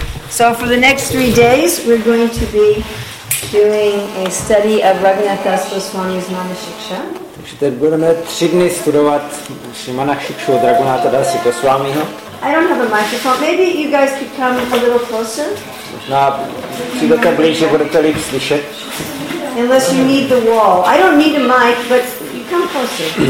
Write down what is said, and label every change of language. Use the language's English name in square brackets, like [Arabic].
[English] So for the next 3 days, we're going to be doing a study of Raghunath Das Goswami's Manashiksha. [Czech] Takže teď budeme 3 dny studovat Manashikshu od Raghunatha Dasa Goswamiho. [English] I don't have a microphone. Maybe you guys could come a little closer. [Czech] No, přijdete blíže, budete líp slyšet. [English] Unless you need the wall. I don't need a mic, but you come closer.